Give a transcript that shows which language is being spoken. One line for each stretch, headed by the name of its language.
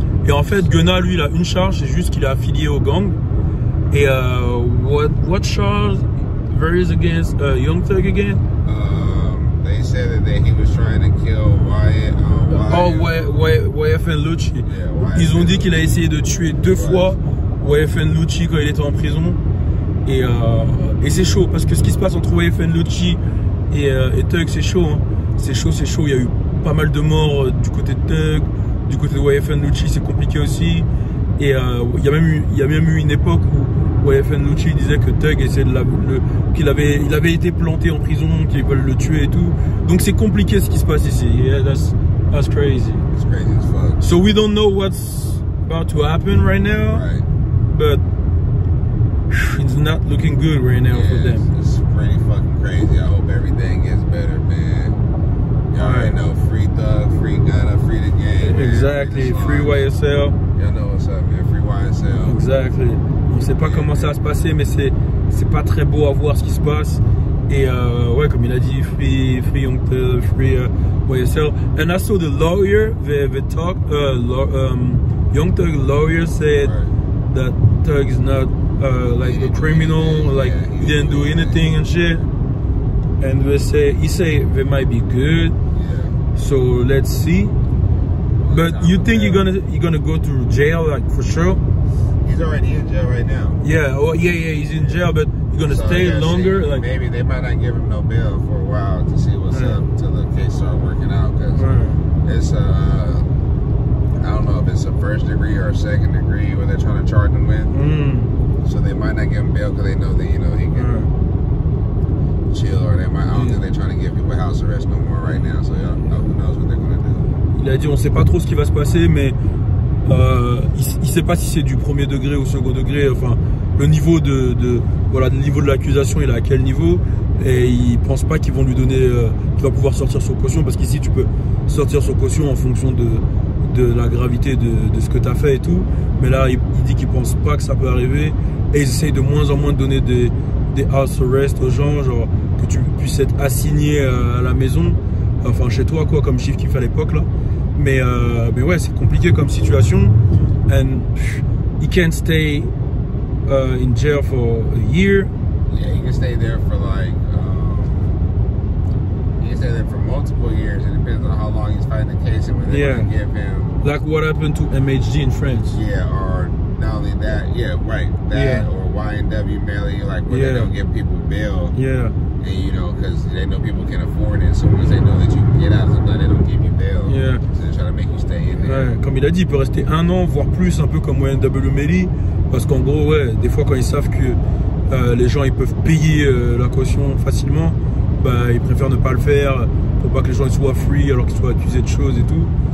French: Et en fait, Gunna, lui, il a une charge, c'est juste qu'il est affilié au gang. Et
English: what charge there is against Young Thug again? They said that he was trying to kill Wyatt. Oh, Wyatt and Lucci. Yeah, Wyatt.
French: Ils ont dit qu'il a essayé de tuer deux fois Wyatt and Lucci quand il était en prison. Et c'est chaud parce que ce qui se passe entre Wyatt and Lucci et Thug, c'est chaud. Hein. C'est chaud, c'est chaud. Il y a eu pas mal de morts du côté de Thug, du côté de Wyatt and Lucci, c'est compliqué aussi. Et il y a même eu une époque où YFN Lucci disait que Thug essaie de qu'il avait été planté en prison, qu'ils veulent le tuer et tout. Donc c'est compliqué ce qui se passe ici.
English: Yeah, that's crazy. It's crazy as fuck. So we don't know what's about to happen right now. Right. But it's not looking good right now, yeah, for them. It's pretty fucking crazy. I hope everything gets better, man. Y'all already know, free Thug, free Gunna, free the game. Exactly. Free YSL. Y'all know what's up, man. Free YSL. Exactly.
French: On ne sait pas comment ça va se passer, mais c'est pas très beau à voir ce qui se passe. Et ouais, comme il a dit,
English: free Young Thug, free YSL. And I saw the lawyer, Young Thug lawyer said that Thug is not like a criminal, like he didn't do anything and shit. And he say they might be good. So let's see. But you think you're gonna go to jail, like for sure? He's already in jail right now. Yeah, well, yeah, he's in jail, but you're gonna stay longer? See, like, maybe they might not give him no bail for a while to see what's up until the case starts working out. Because it's, I don't know if it's a first degree or a second degree where they're trying to charge him with. Mm. So they might not give him bail because they know that, you know, he can chill, or they might, I don't think they're trying to give people house arrest no more right now. So who knows what they're gonna do.
French: Il a dit, on sait pas trop ce qui va se passer, mais. Il sait pas si c'est du premier degré ou second degré, enfin le niveau de l'accusation, il est à quel niveau, et il pense pas qu'ils vont lui donner qu'il va pouvoir sortir sur caution, parce qu'ici tu peux sortir sur caution en fonction de la gravité de ce que tu as fait et tout, mais là il dit qu'il pense pas que ça peut arriver, et ils essayent de moins en moins de donner des house arrest aux gens, genre que tu puisses être assigné à la maison, enfin chez toi quoi, comme chiffre qu'il fait à l'époque là. Mais ouais, c'est compliqué comme situation.
English: And he can't stay in jail for a year. Yeah, he can stay there for like he can stay there for multiple years. It depends on how long he's fighting the case and when they can give him. Like what happened to MHD in France? Yeah, or not only that, or YNW Melly, like where they don't give people bail. Yeah. And you know, because they know people can afford it, so once they know that you can get out of the blood, they don't give you bail. Yeah.
French: Ouais, comme il a dit, il peut rester un an, voire plus, un peu comme YNW Melly, parce qu'en gros, ouais, des fois quand ils savent que les gens ils peuvent payer la caution facilement, bah, ils préfèrent ne pas le faire pour pas que les gens ils soient free alors qu'ils soient accusés de choses et tout.